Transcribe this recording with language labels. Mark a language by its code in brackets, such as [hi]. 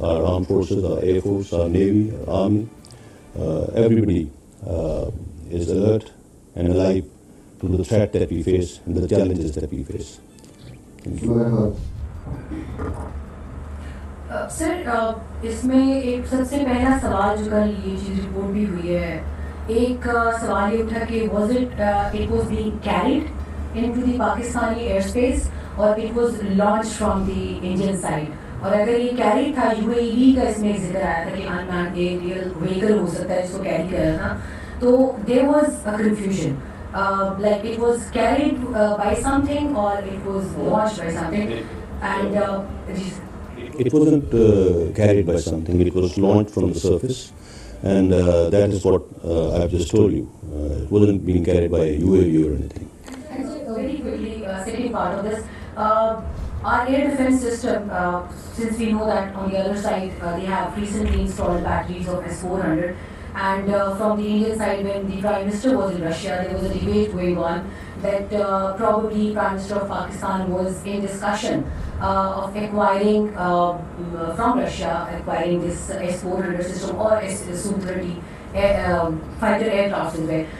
[en] Our armed forces, our Air Force, our Navy, our Army, everybody is alert and alive to the threat that we face and the challenges that we face. Thank you. [ur] سر اس میں ایک سب سے پہلا سوال جو کل یہ چیز report بھی ہوئی ہے, ایک سوال یہ اٹھا کہ was it was being carried in to the Pakistani air space, [en] اور it was launched from the Indian side. [ur] اور اگر یہ [en] carry تھا, U A E [ur] کا اس میں ذکر آیا تھا کہ [en] unmanned aerial vehicle [ur] ہو سکتا ہے اس کو [en] carry [ur] کرا تھا, تو [en] There was a confusion like it was carried by something اور it was watched by something. And it wasn't carried by something, it was launched from the surface, and that is what I have just told you. It wasn't being carried by a UAV or anything. And so very quickly, second part of this, our air defense system, since we know that on the other side they have recently installed batteries of S-400, and from the Indian side, when the Prime Minister was in Russia, there was a debate going on that probably Prime Minister of Pakistan was in discussion of acquiring from Russia, acquiring this S-400 system or Su-30 fighter aircraft in the way.